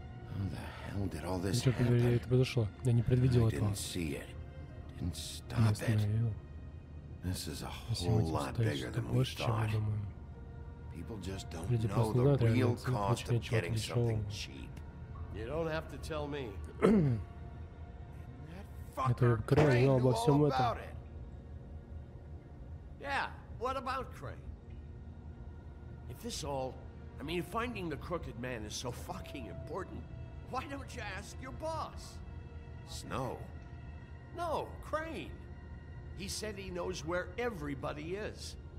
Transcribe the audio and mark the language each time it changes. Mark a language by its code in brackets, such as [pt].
[en] How the hell did all this happen? [ru] Я не предвидел этого. [en] I didn't see it. Didn't stop it. This is a whole lot bigger than we thought. People just don't know the real cost of getting something cheap. You don't have to tell me. [ru] Это Крейн знал обо всем этом. [en] Yeah, what about Crane? If this all, I mean, finding the crooked man is so fucking important, why don't you ask your boss? Snow. No, Crane. He said he knows where everybody is.